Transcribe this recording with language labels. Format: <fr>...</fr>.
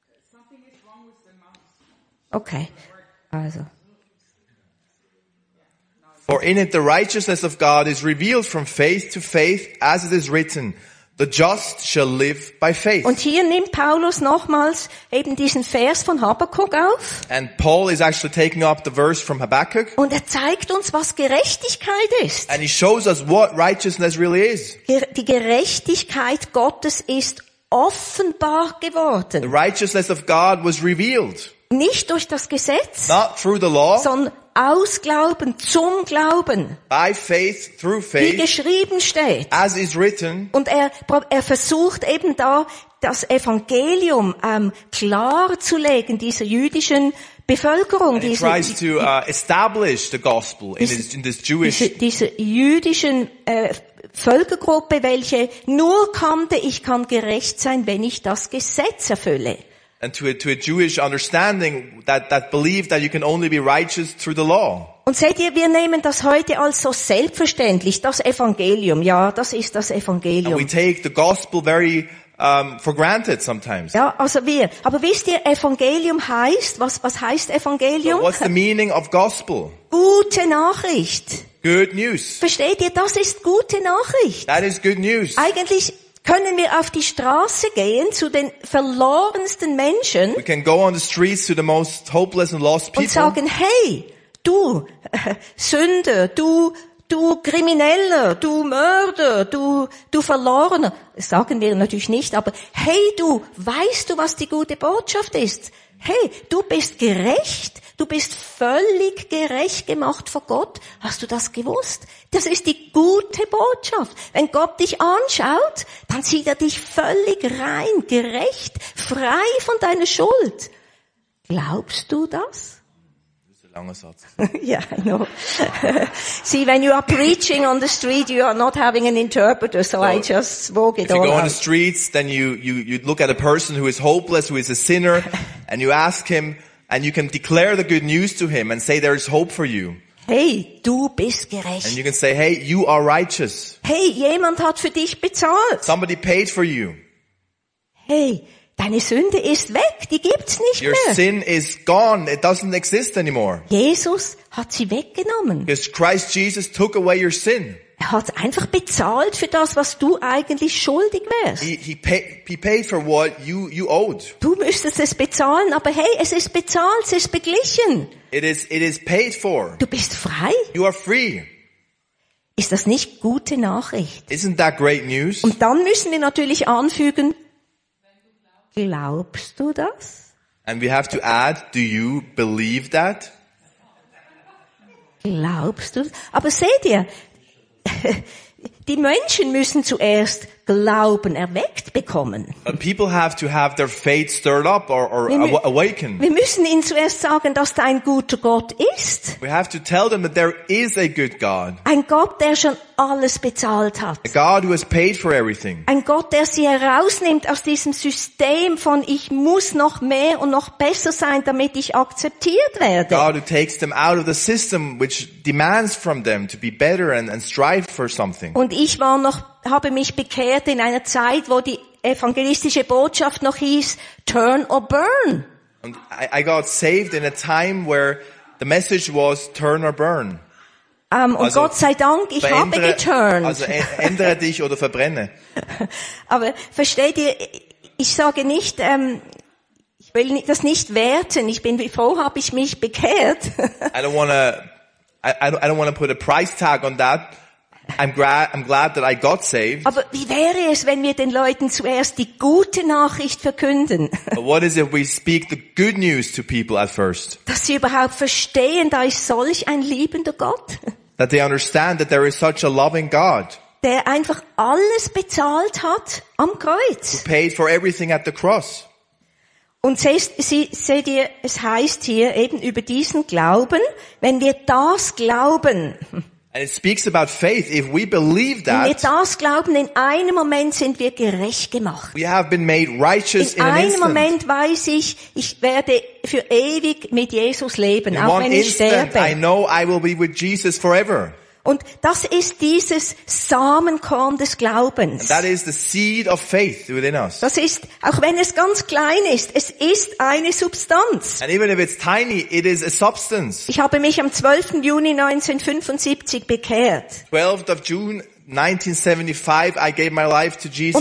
<en>Something is wrong with the mouse. Okay. Also. For in it the righteousness of God is revealed from faith to faith, as it is written, the just shall live by faith.</en> <de>Und hier nimmt Paulus nochmals eben diesen Vers von Habakkuk auf.</de> <en>And Paul is actually taking up the verse from Habakkuk.</en> <de>Und er zeigt uns, was Gerechtigkeit ist.</de> <en>And he shows us what righteousness really is.</en> <de>Die Gerechtigkeit Gottes ist offenbar geworden.</de> <en>The righteousness of God was revealed.</en> <de>Nicht durch das Gesetz.</de> <en>Not through the law.</en> <de>Sondern aus Glauben zum Glauben.</de> <en>By faith, through faith.</en> <de>Wie geschrieben steht.</de> <en>As is written.</en> <de>Und er versucht eben da, das Evangelium klar zu legen, dieser jüdischen Bevölkerung.</de> <en>And he tries to establish the gospel in this Jewish.</en> <de>Diese jüdischen Völkergruppe, welche nur kannte, ich kann gerecht sein, wenn ich das Gesetz erfülle.</de> <en>And to a Jewish understanding that believed that you can only be righteous through the law.</en> <de>Und seht ihr, wir nehmen das heute als so selbstverständlich, das Evangelium. Ja, das ist das Evangelium.</de> <en>And we take the gospel very for granted sometimes.</en> <de>Ja, also wir. Aber wisst ihr, Evangelium heißt, was heißt Evangelium?</de> <en>So what's the meaning of gospel?</en> <de>Gute Nachricht.</de> <en>Good news.</en> <de>Versteht ihr, das ist gute Nachricht.</de> <en>That is good news.</en> <de>Eigentlich können wir auf die Straße gehen zu den verlorensten Menschen.</de> <en>We can go on the streets to the most hopeless and lost people.</en> <de>Und sagen, hey, du Sünder, du Krimineller, du Mörder, du Verlorener, sagen wir natürlich nicht, aber hey, du, weißt du, was die gute Botschaft ist? Hey, du bist gerecht, du bist völlig gerecht gemacht vor Gott. Hast du das gewusst? Das ist die gute Botschaft. Wenn Gott dich anschaut, dann sieht er dich völlig rein, gerecht, frei von deiner Schuld. Glaubst du das? Langer Satz.</de> <en>Yeah, I know. See, when you are preaching on the street, you are not having an interpreter, so I just spoke it all out. If you go on the streets, then you look at a person who is hopeless, who is a sinner, and you ask him, and you can declare the good news to him and say there is hope for you.</en> <de>Hey, du bist gerecht.</de> <en>And you can say, hey, you are righteous.</en> <de>Hey, jemand hat für dich bezahlt.</de> <en>Somebody paid for you.</en> <de>Hey, deine Sünde ist weg, die gibt's nicht mehr.</de> <en>Your sin is gone, it doesn't exist anymore.</en> <de>Jesus hat sie weggenommen.</de> <en>Because Christ Jesus took away your sin.</en> <de>Er hat einfach bezahlt für das, was du eigentlich schuldig wärst.</de> <en>He paid for what you owed.</en> <de>Du müsstest es bezahlen, aber hey, es ist bezahlt, es ist beglichen.</de> <en>It is paid for.</en> <de>Du bist frei.</de> <en>You are free.</en> <de>Ist das nicht gute Nachricht?</de> <en>Isn't that great news?</en> <de>Und dann müssen wir natürlich anfügen, glaubst du das?</de> <en>And we have to add, do you believe that?</en> <de>Glaubst du? Aber seht ihr, die Menschen müssen zuerst Glauben erweckt bekommen.</de> <en>But people have to have their faith stirred up or awakened.</en> <de>Wir müssen ihnen zuerst sagen, dass da ein guter Gott ist.</de> <en>We have to tell them that there is a good God.</en> <de>Ein Gott, der schon alles bezahlt hat.</de> <en>A God who has paid for everything.</en> <de>Ein Gott, der sie herausnimmt aus diesem System von ich muss noch mehr und noch besser sein, damit ich akzeptiert werde.</de> <en>God who takes them out of the system which demands from them to be better and strive for something.</en> <de>Und ich war noch habe mich bekehrt in einer Zeit, wo die evangelistische Botschaft noch hieß</de> <en>turn or burn. And I got saved in a time where the message was turn or burn.</en> <de>Und also, Gott sei Dank, ich habe geturnt. Also ändere dich oder verbrenne. Aber versteht ihr, ich sage nicht, ich will das nicht werten. Ich bin froh, habe ich mich bekehrt.</de> <en>I don't wanna put a price tag on that. I'm glad that I got saved.</en> <de>Aber wie wäre es, wenn wir den Leuten zuerst die gute Nachricht verkünden?</de> <en>But what is it we speak the good news to people at first?</en> <de>Dass sie überhaupt verstehen, da ist solch ein liebender Gott.</de> <en>That they understand that there is such a loving God.</en> <de>Der einfach alles bezahlt hat am Kreuz.</de> <en>Who paid for everything at the cross.</en> <de>Und seht ihr, es heißt hier eben über diesen Glauben, wenn wir das glauben.</de> <en>And it speaks about faith. If we believe that,</en> <de>wenn wir das glauben, in einem Moment sind wir gerecht gemacht.</de> <en>We have been made righteous in an instant.</en> <de>In einem Moment weiß ich, ich werde für ewig mit Jesus leben, auch wenn ich sterbe.</de> <en>In one instant, I know I will be with Jesus forever.</en> <de>Und das ist dieses Samenkorn des Glaubens.</de> <en>And that is the seed of faith within us.</en> <de>Das ist, auch wenn es ganz klein ist, es ist eine Substanz.</de> <en>And even if it's tiny, it is a substance.</en> <de>Ich habe mich am 12. Juni 1975 bekehrt.</de> <en>12th of June 1975, I gave my life to Jesus.</en>